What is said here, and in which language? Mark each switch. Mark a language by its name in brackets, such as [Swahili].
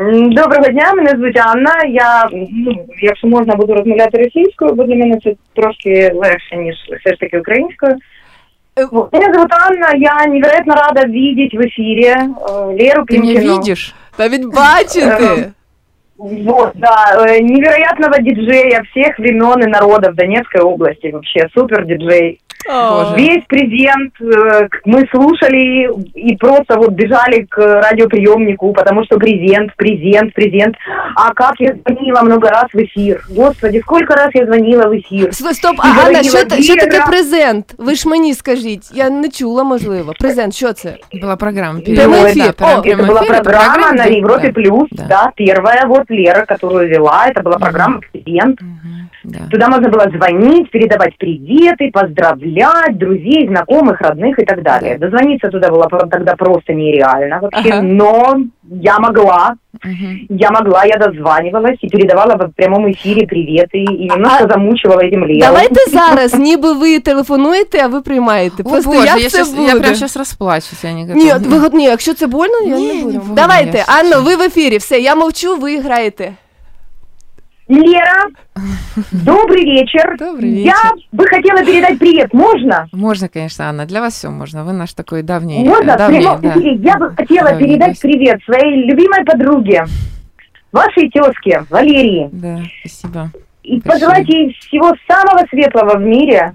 [Ukrainian] Доброго дня, мене звуть Анна. Я, ну, якщо можна, буду розмовляти російською, бо для мене це трошки легше, ніж все ж таки українською. Мене звуть Анна, я [Russian] невероятно рада [Ukrainian] бачити в ефірі Леру Клімкіну. Ти мене бачиш? Та відбачити! Вот, да, [Russian] невероятного диджея [Ukrainian] всіх [Russian] времен [Ukrainian] і народів Донецької області, взагалі, супер-диджей. [Russian] Весь презент мы слушали и просто вот бежали к радиоприемнику, потому что презент. А как я звонила много раз в эфир. Господи, сколько раз я звонила в эфир. Стоп, а Анна, что такое презент? Вы ж мне скажите, [Ukrainian] я не чула, можливо. [Russian] Презент, что это? Была программа. Это была программа на Европе Плюс, да, первая вот Лера, которую вела, это была программа «Презент». Да. Туда можно было звонить, передавать приветы, поздравлять друзей, знакомых, родных и так далее. Да. Дозвониться туда было тогда просто нереально вообще, ага. Но я могла. [Ukrainian] Я дозванювалась і передавала в прямому ефірі привіти і немножко замучувала цим Лєю. Давайте зараз, ніби ви телефонуєте, а ви приймаєте. О, Боже, я прямо зараз розплачусь, я ніколи. Ні, вигодні, якщо це больно, я не буду. Давайте, Анна, ви в ефірі, все, я мовчу, ви граєте. [Russian] Лера, добрый вечер. Добрый вечер. Я бы хотела передать привет. Можно? Можно, конечно, Анна. Для вас все можно. Вы наш такой давний. Можно? Давний, да. Я бы хотела давний передать гость. Привет своей любимой подруге, вашей тезке Валерии. Да, спасибо. И пожелать ей всего самого светлого в мире.